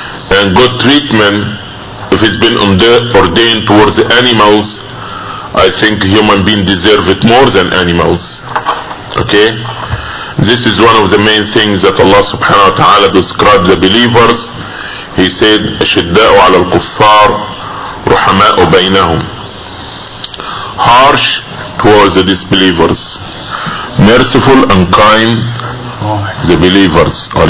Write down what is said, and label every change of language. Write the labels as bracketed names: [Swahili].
[English] And good treatment, if it's been ordained towards animals, I think human beings deserve it more than animals. Okay? This is one of the main things that Allah subhanahu wa ta'ala described the believers. He said, [Arabic] أَشِدَّاءُ عَلَى الْكُفَّارِ رُحَمَاءُ بَيْنَهُمْ. [English] Harsh towards the disbelievers, merciful and kind the believers.